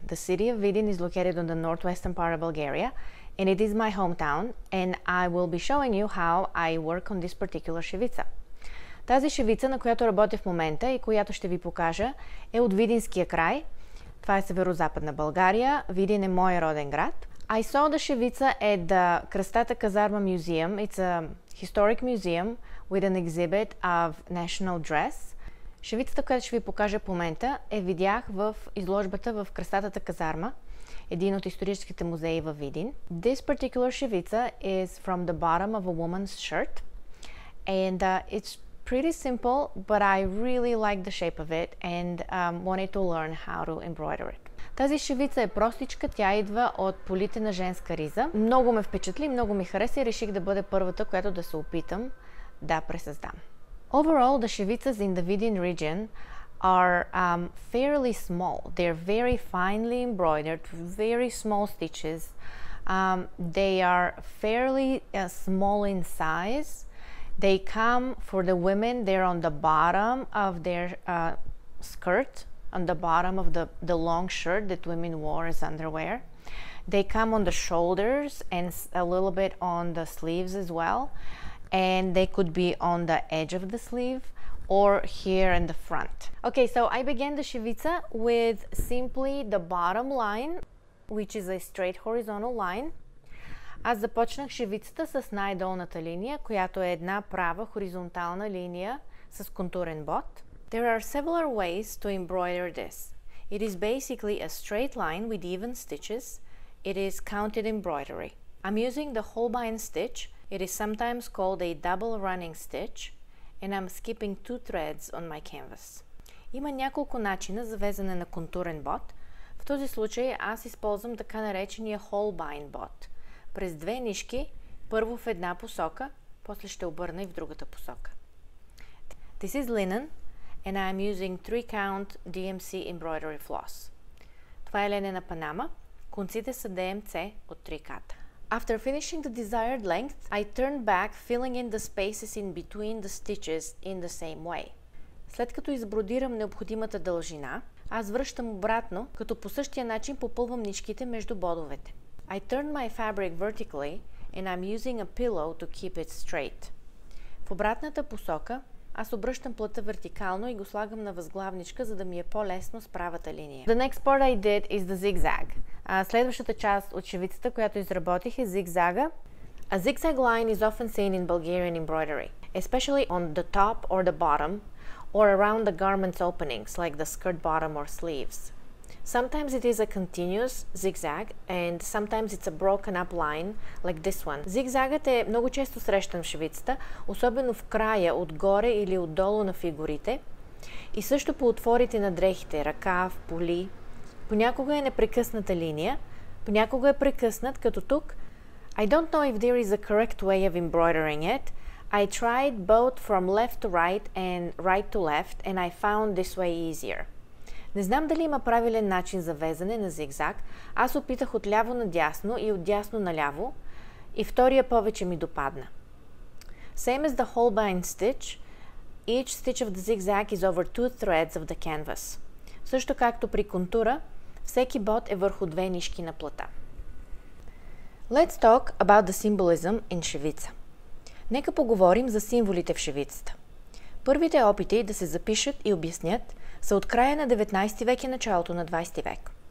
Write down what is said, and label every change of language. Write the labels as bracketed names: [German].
[English] The city of Vidin is located on the northwestern part of Bulgaria, and it is my hometown, and I will be showing you how I work on this particular shevica. [Bulgarian] Тази шевица, на която работя в момента и която ще ви покажа, е от Видинския край. Това е северо-западна България. Видин е моя роден град. [English] I saw the шевица at the Кръстата казарма Museum. It's a historic museum with an exhibit of national dress. [Bulgarian] Шевицата, която ще ви покажа в момента, е видях в изложбата в Кръстатата казарма, един от историческите музеи във Видин. [English] This particular шевица is from the bottom of a woman's shirt. And it's pretty simple, but I really like the shape of it and wanted to learn how to embroider it. [Bulgarian] Тази шевица е простичка, тя идва от полите на женска риза. Много ме впечатли, много ми хареса и реших да бъде първата, която да се опитам да пресъздам. [English] Overall, the shevicas in the Vidin region are fairly small. They're very finely embroidered, very small stitches. They are fairly small in size. They come for the women, they're on the bottom of their skirt, on the bottom of the long shirt that women wore as underwear. They come on the shoulders and a little bit on the sleeves as well. And they could be on the edge of the sleeve or here in the front. Okay, so I began the shevica with simply the bottom line, which is a straight horizontal line. [Bulgarian] Аз започнах шевицата с най-долната линия, която е една права хоризонтална линия с контурен бот. [English] There are several ways to embroider this. It is basically a straight line with even stitches. It is counted embroidery. I'm using the Holbein stitch. It is sometimes called a double running stitch. And I'm skipping two threads on my canvas. [Bulgarian] Има няколко начина за вязане на контурен бот. В този случай аз използвам така наречения Holbein бот. През две нишки, първо в една посока, после ще обърна и в другата посока. [English] This is linen and I am using 3-count DMC embroidery floss. [Bulgarian] Това е ленена панама. Конците са DMC от 3 ката. [English] After finishing the desired length, I turn back, filling in the spaces in between the stitches in the same way. [Bulgarian] След като избродирам необходимата дължина, аз връщам обратно, като по същия начин попълвам нишките между бодовете. [English] I turn my fabric vertically and I'm using a pillow to keep it straight. [Bulgarian] В обратната посока, аз обръщам плътта вертикално и го слагам на възглавничка, за да ми е по-лесно с правата линия. [English] The next part I did is the zigzag. [Bulgarian] Следващата част от шевицата, която изработих, е зигзага. [English] A zigzag line is often seen in Bulgarian embroidery, especially on the top or the bottom, or around the garment's openings, like the skirt bottom or sleeves. Sometimes it is a continuous zigzag, and sometimes it's a broken up line, like this one. [Bulgarian] Зигзагът е много често срещан в шевицата, особено в края, отгоре или отдолу на фигурите, и също по отворите на дрехите, ръкав, поли. Понякога е непрекъсната линия, понякога е прекъснат, като тук. [English] I don't know if there is a correct way of embroidering it. I tried both from left to right and right to left, and I found this way easier. [Bulgarian] Не знам дали има правилен начин за вязане на зигзаг. Аз опитах от ляво на дясно и от дясно на ляво, и втория повече ми допадна. [English] Same as the Holbein stitch, each stitch of the zigzag is over two threads of the canvas. [Bulgarian] Също както при контура, всеки бод е върху две нишки на плата. [English] Let's talk about the symbolism in шевица. [Bulgarian] Нека поговорим за символите в шевицата. Първите опити да се запишат и обяснят са от края на 19 век и началото на 20 век.